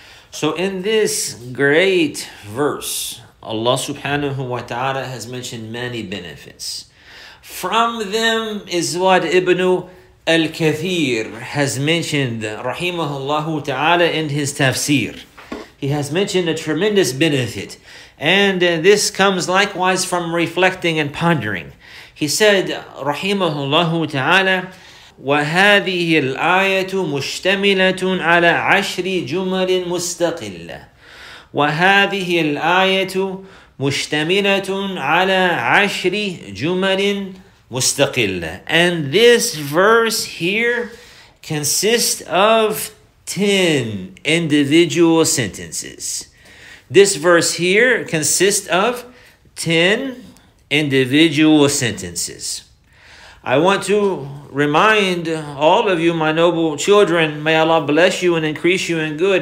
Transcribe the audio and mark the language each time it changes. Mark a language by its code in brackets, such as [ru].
[en] So in this great verse, Allah subhanahu wa ta'ala has mentioned many benefits. From them is what Ibn al-Kathir has mentioned, rahimahullahu ta'ala, in his tafsir. He has mentioned a tremendous benefit. And this comes likewise from reflecting and pondering. He said, rahimahullahu ta'ala, [ar] وَهَذِهِ الْآيَةُ مُشْتَمِلَةٌ عَلَىٰ عَشْرِ جُمَلٍ مُسْتَقِلَّةٍ وهذه الآية مشتملة على عشر جمل مستقلة. [en] And this verse here consists of 10 individual sentences. This verse here consists of 10 individual sentences. I want to remind all of you, my noble children, may Allah bless you and increase you in good.